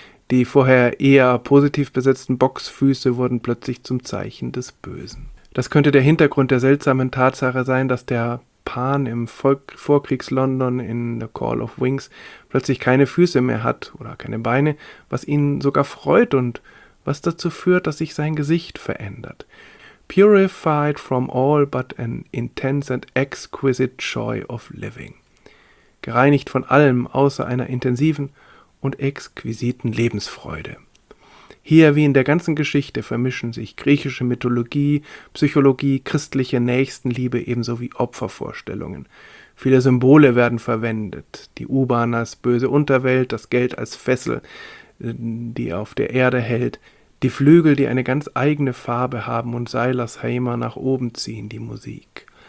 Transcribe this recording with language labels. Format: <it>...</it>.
<de>Die vorher eher positiv besetzten Bocksfüße wurden plötzlich zum Zeichen des Bösen. Das könnte der Hintergrund der seltsamen Tatsache sein, dass der Pan im Vorkriegs-London in The Call of Wings plötzlich keine Füße mehr hat oder keine Beine, was ihn sogar freut und was dazu führt, dass sich sein Gesicht verändert.</de> <en>Purified from all but an intense and exquisite joy of living.</en> <de>Gereinigt von allem außer einer intensiven und exquisiten Lebensfreude. Hier, wie in der ganzen Geschichte, vermischen sich griechische Mythologie, Psychologie, christliche Nächstenliebe ebenso wie Opfervorstellungen. Viele Symbole werden verwendet. Die U-Bahn als böse Unterwelt, das Geld als Fessel, die auf der Erde hält, die Flügel, die eine ganz eigene Farbe haben und Silas Hamer nach oben ziehen, die Musik.</de>